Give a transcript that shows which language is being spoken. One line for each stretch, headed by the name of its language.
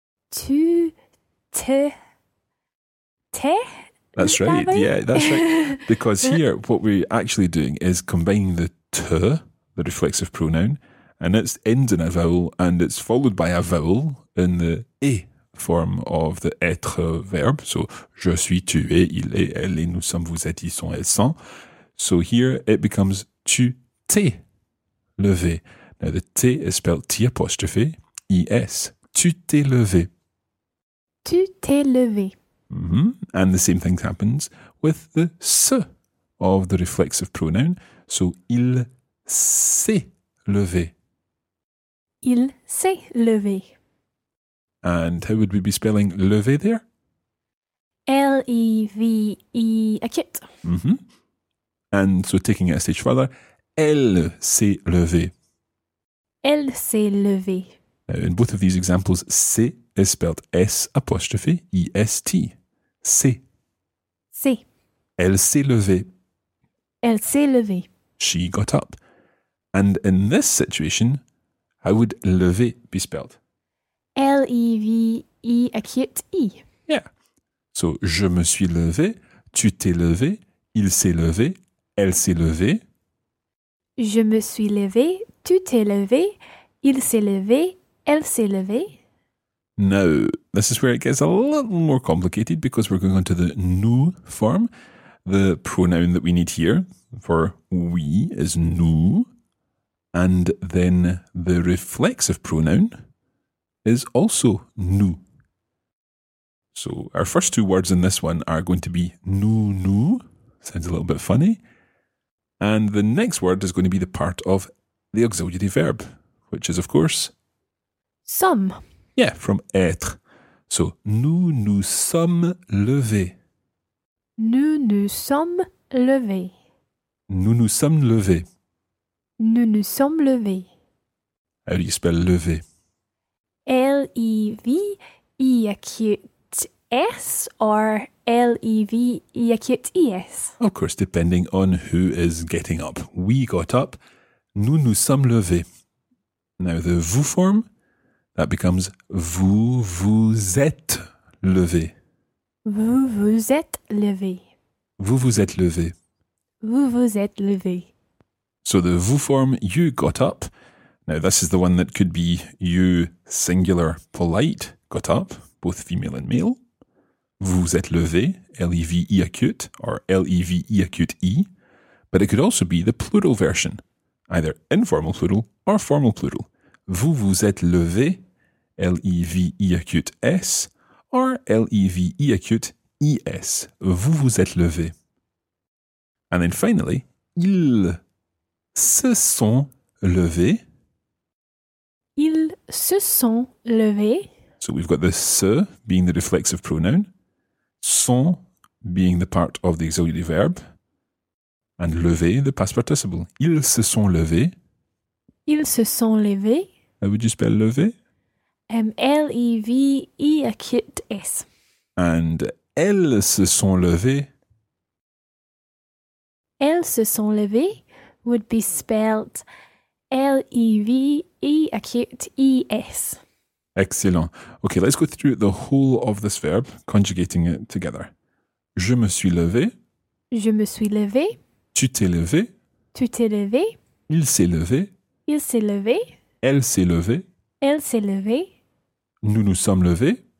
French: Tu te... te?
English: That's right, yeah, that's right. Because here, what we're actually doing is combining the te, the reflexive pronoun, and it ends in a vowel, and it's followed by a vowel in the e form of the être verb.
French: So, je suis, tu es, il est, elle est, nous sommes, vous êtes, ils sont, elles sont.
English: So here, it becomes
French: tu t'es levé.
English: Now, the t is spelled t apostrophe, es.
French: Tu t'es levé. Tu t'es levé.
English: Mm-hmm. And the same thing happens with the se of the reflexive pronoun.
French: So, il s'est levé. Il s'est levé.
English: And how would we be spelling levé there? L-E-V-E acute. Mm-hmm. And so taking it a stage further,
French: elle s'est levée. Elle s'est levée.
English: Now, in both of these examples, c'est is spelled S apostrophe E-S-T. C'est.
French: C'est. Elle s'est levée. Elle s'est levée.
English: She got up. And in this situation, how would levé be spelled? L-E-V-E acute E. Yeah. So,
French: je me suis levé, tu t'es levé, il s'est levé, elle s'est levée. Je me suis levé, tu t'es levé, il s'est levé, elle s'est levée.
English: Now, this is where it gets a little more complicated because we're going on to the nous form. The pronoun that we need here for we is nous. And then the reflexive pronoun is also nous. So our first two words in this one are going to be nous, nous. Sounds a little bit funny. And the next word is going to be the part of the auxiliary verb, which is, of course, some. Yeah, from être. So,
French: nous nous sommes levés. Nous nous sommes levés. Nous nous sommes levés. Nous nous sommes levés.
English: How do you spell lever? L-E-V-E acute S or L-E-V-E acute E-S? Of course, depending on who is getting up. We got up.
French: Nous nous sommes levés.
English: Now, the vous form, that becomes
French: vous vous êtes levé. Vous vous êtes levé. Vous vous êtes levé. Vous vous êtes levé. So the vous form,
English: you got up. Now this is the one that could be you singular polite got up, both female and male.
French: Vous êtes levé, L-E-V-E acute, or L-E-V-E acute E.
English: But it could also be the plural version, either informal plural or formal plural.
French: Vous vous êtes levé, L-E-V-E acute S, or L-E-V-E acute E-S. Vous vous êtes levé.
English: And then finally,
French: ils se sont levés. Ils se sont levés.
English: So we've got the se being the reflexive pronoun, sont being the part of the auxiliary verb, and levé, the past participle.
French: Ils se sont levés. Ils se sont levés.
English: How would you spell levé? L-E-V-E acute S. And
French: elles se sont levées. Elles se sont levées
English: would be spelled L-E-V-E acute E-S. Excellent. Okay, let's go through the whole of this verb, conjugating it together.
French: Je me suis levé. Je me suis levé. Tu t'es levé. Tu t'es levé. Il s'est levé. Il s'est levé. Elle s'est levée. Elle s'est levée. Nous nous sommes levés.